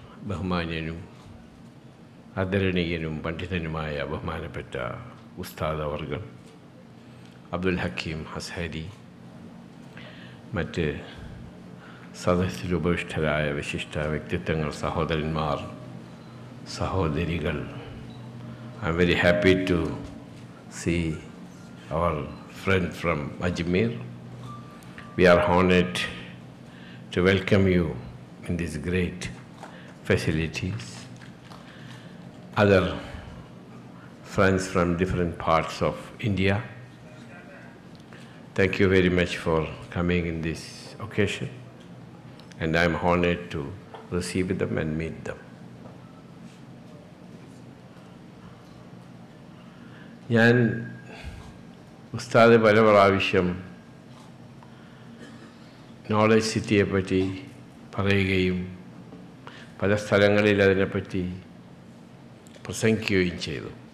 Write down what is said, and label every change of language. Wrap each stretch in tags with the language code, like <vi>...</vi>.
<ml>ബഹുമാന്യനും ആദരണീയനും പണ്ഡിതനുമായ ബഹുമാനപ്പെട്ട ഉസ്താദ് അവർഗൻ അബ്ദുൽ ഹക്കീം ഹസ്ഹരി, മറ്റ് സദസ്യരുപവിഷ്ടരായ വിശിഷ്ട വ്യക്തിത്വങ്ങൾ, സഹോദരന്മാർ, സഹോദരികൾ,</ml> <en>I am very happy to see our friend from Ajmer. We are honoured to welcome you in these great facilities. Other friends from different parts of India, thank you very much for coming in this occasion, and I am honored to receive them and meet them.</en> <ml>Yan ustade pala pravisham knowledge സിറ്റിയെപ്പറ്റി പറയുകയും പല സ്ഥലങ്ങളിൽ അതിനെപ്പറ്റി പ്രസംഗിക്കുകയും ചെയ്തു.</ml>